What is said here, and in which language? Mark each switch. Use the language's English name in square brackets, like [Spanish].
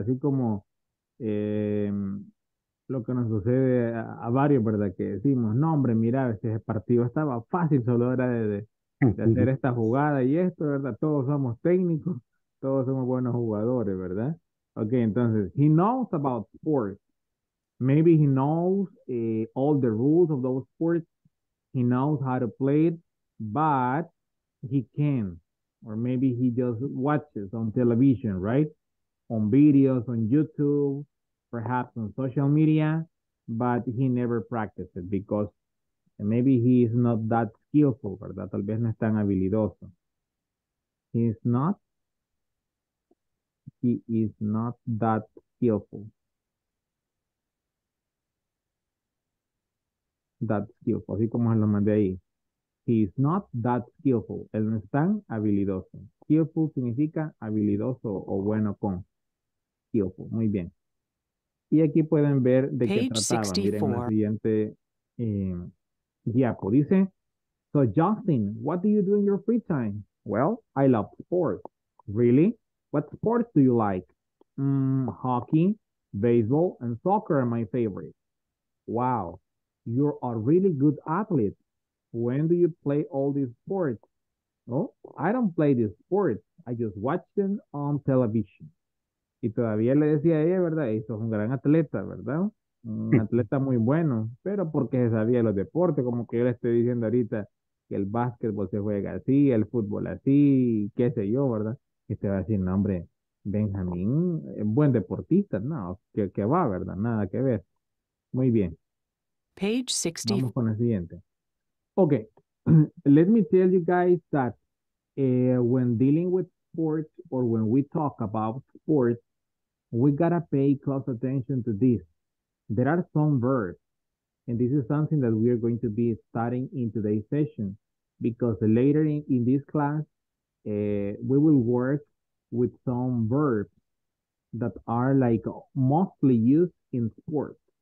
[Spanish] Así como lo que nos sucede a varios, ¿verdad? Que decimos, no, hombre, mira, ese partido estaba fácil, solo era de hacer esta jugada y esto, ¿verdad? Todos somos técnicos, todos somos buenos jugadores, ¿verdad? [English] Ok, [Spanish] entonces, [English] he knows about sports. Maybe he knows all the rules of those sports. He knows how to play it, but he can't. Or maybe he just watches on television, right? On videos, on YouTube, perhaps on social media, but he never practices because maybe he is not that skillful, [Spanish] ¿verdad? Tal vez no es tan habilidoso. [English] He is not. He is not that skillful. That skillful. [Spanish] Así como se lo mandé ahí. [English] He is not that skillful. [Spanish] Él no es tan habilidoso. Skillful significa habilidoso o bueno con. Skillful. Muy bien. Y aquí pueden ver de qué trataba. 64. Miren la siguiente Dice, [English] so Justin, what do you do in your free time? Well, I love sports. Really? What sports do you like? Hockey, baseball, and soccer are my favorite. Wow, you're a really good athlete. When do you play all these sports? Oh, I don't play these sports. I just watch them on television. [Spanish] Y todavía le decía a ella, ¿verdad? Y sos un gran atleta, ¿verdad? Un atleta muy bueno, pero porque se sabía los deportes, como que yo le estoy diciendo ahorita que el básquetbol se juega así, el fútbol así, qué sé yo, ¿verdad? Y te va a decir, no, hombre, Benjamín, buen deportista, no, qué va, ¿verdad? Nada que ver. Muy bien. [English] Page 60. [Spanish] Vamos con el siguiente. [English] Ok, let me tell you guys that when dealing with sports or when we talk about sports, we gotta pay close attention to this. There are some verbs, and this is something that we are going to be studying in today's session, because later in this class, we will work with some verbs that are like mostly used in sports.